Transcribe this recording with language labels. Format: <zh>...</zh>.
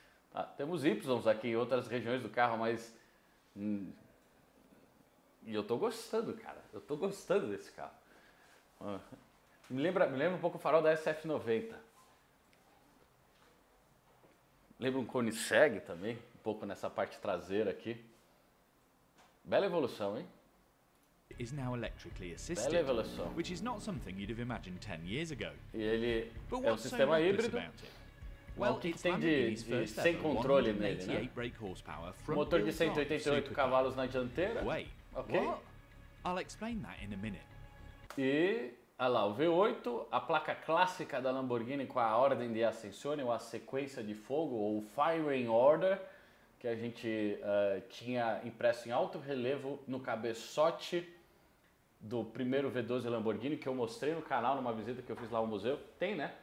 <pt>Tá, temos Ys aqui em outras regiões do carro, mas... E eu tô gostando, cara. Eu tô gostando desse carro. Me lembra um pouco o farol da SF90. Lembra um Koenigsegg também, um pouco nessa parte traseira aqui. Bela evolução, hein?</pt> <en>Is now electrically assisted, which is not something you'd have imagined 10 years ago.</en> <pt>E ele é um sistema híbrido. Well, o que tem de sem controle nele, né? Motor de 188 cavalos na dianteira.</pt> <en>Wait, ok. What? I'll explain that in a minute.</en> <pt>E olha lá, o V8, a placa clássica da Lamborghini com a ordem de ascensione, ou a sequência de fogo, ou firing order, que a gente tinha impresso em alto relevo no cabeçote do primeiro V12 Lamborghini, que eu mostrei no canal numa visita que eu fiz lá ao museu. Tem, né?</pt>